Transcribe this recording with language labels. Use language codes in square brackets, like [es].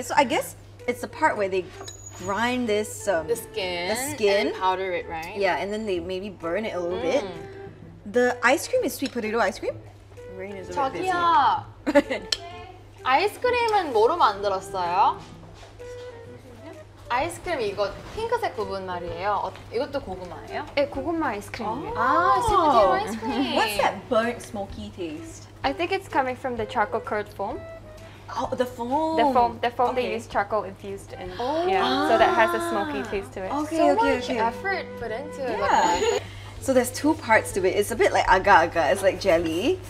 [en] So I guess it's the part where they grind this... The skin. And powder it, right? Yeah, and then they maybe burn it a little bit. The ice cream is sweet potato ice cream? Rain is a bit busy. [ko] 아이스크림은 뭐로 만들었어요? 아이스크림 이거 핑크색 부분 말이에요. 이것도 고구마예요? 네, 고구마 아이스크림이에요. [en] 아, 스위트 포테이토 아이스크림. What's that burnt smoky taste? I think it's coming from the charcoal curd foam. Oh, the foam. The foam okay. They use charcoal infused in. Oh. Yeah, so that has a smoky taste to it. Okay. Effort put into it. Yeah. So there's two parts to it. It's a bit like agar-agar. It's like jelly.